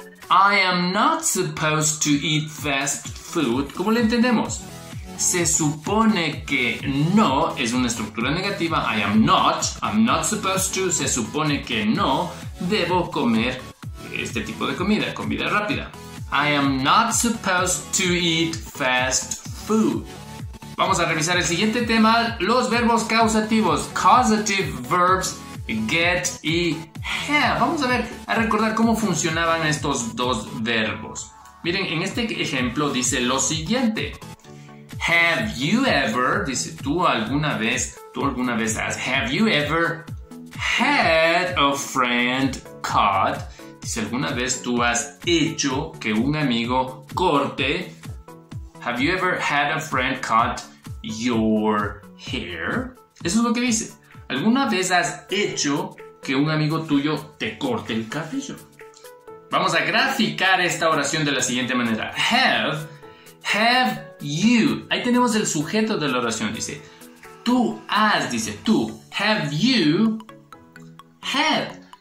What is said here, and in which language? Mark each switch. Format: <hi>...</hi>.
<en>I am not supposed to eat fast food.</en> <es>¿Cómo lo entendemos? Se supone que no es una estructura negativa.</es> <en>I am not. I'm not supposed to.</en> <es>Se supone que no debo comer este tipo de comida, comida rápida.</es> <en>I am not supposed to eat fast food.</en> <es>Vamos a revisar el siguiente tema, los verbos causativos.</es> <en>Causative verbs, get y have.</en> <es>Vamos a ver, a recordar cómo funcionaban estos dos verbos. Miren, en este ejemplo dice lo siguiente.</es> <en>Have you ever, dice, have you ever had a friend cut?</en> <es>Dice, ¿alguna vez tú has hecho que un amigo corte?</es> <en>Have you ever had a friend cut your hair?</en> <es>Eso es lo que dice. ¿Alguna vez has hecho que un amigo tuyo te corte el cabello? Vamos a graficar esta oración de la siguiente manera.</es> <en>Have you.</en> <es>Ahí tenemos el sujeto de la oración. Dice, tú has, dice, tú.</es> <en>Have you. Have.</en>